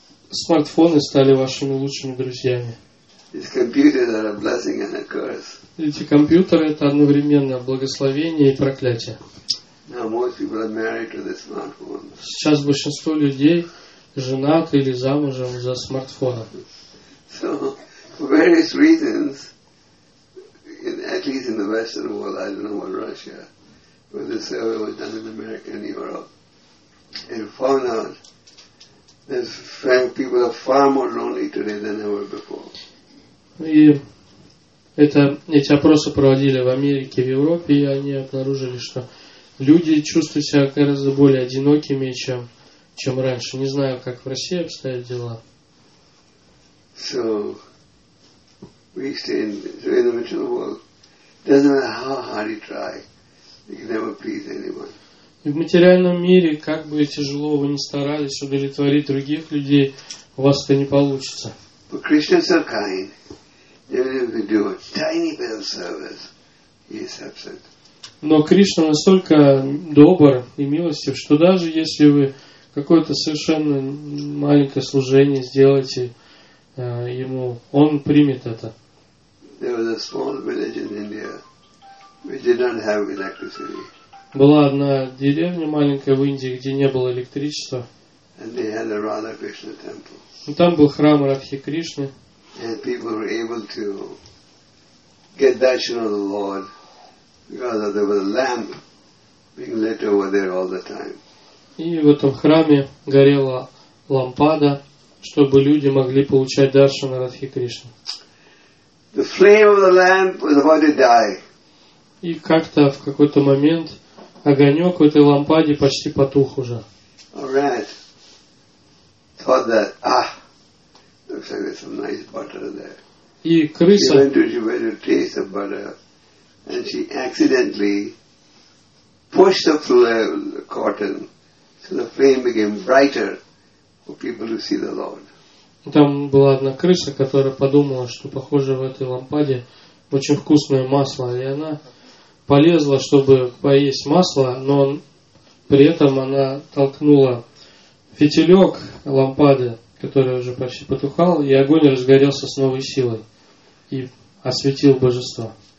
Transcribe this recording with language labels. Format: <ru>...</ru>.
<ru>Смартфоны стали вашими лучшими друзьями. Эти компьютеры – это одновременно благословение и проклятие. Сейчас большинство людей женаты или замужем за смартфоном.</ru> <en>So, for various reasons, in, at least in the Western world, I don't know what Russia, where the survey was done in America and Europe, and found out that frank people are far more lonely today than ever before.</en> <ru>И это, эти опросы проводили в Америке, в Европе, и они обнаружили, что люди чувствуют себя гораздо более одинокими, чем, чем раньше. Не знаю, как в России обстоят дела.</ru> <en>So, we stay in, so in the material world, doesn't matter how hard you try, you can never please anyone.</en> <ru>В материальном мире, как бы тяжело вы ни старались удовлетворить других людей, у вас это не получится.</ru> <en>But Krishna is so kind. Even if you do a tiny bit of service, he accepts it.</en> <ru>Но Кришна настолько добр и милостив, что даже если вы какое-то совершенно маленькое служение сделаете ему, он примет это.</ru> <en>There was a small village in India. We did not have electricity.</en> <ru>Была одна деревня маленькая в Индии, где не было электричества.</ru> <en>And they had a Radha Krishna temple.</en> <ru>Но там был храм Радхи Кришны.</ru> <en>And people were able to get darshan of the Lord because there was a lamp being lit over there all the time.</en> <ru>И в этом храме горела лампада, чтобы люди могли получать даршан Радхи Кришны.</ru> <en>The flame of the lamp was about to die.</en> <ru>И как-то в какой-то момент огонек в этой лампаде почти потух уже.</ru> <en>All right. Thought that, ah, looks like there's some nice butter there.</en> <ru>И крыса...</ru> <en>She went to taste the butter and she accidentally pushed the cotton so the flame became brighter for people to see the Lord.</en> <ru>Там была одна крыса, которая подумала, что похоже в этой лампаде очень вкусное масло, и она полезла, чтобы поесть масло, но при этом она толкнула фитилек лампады, который уже почти потухал, и огонь разгорелся с новой силой и осветил божество.</ru>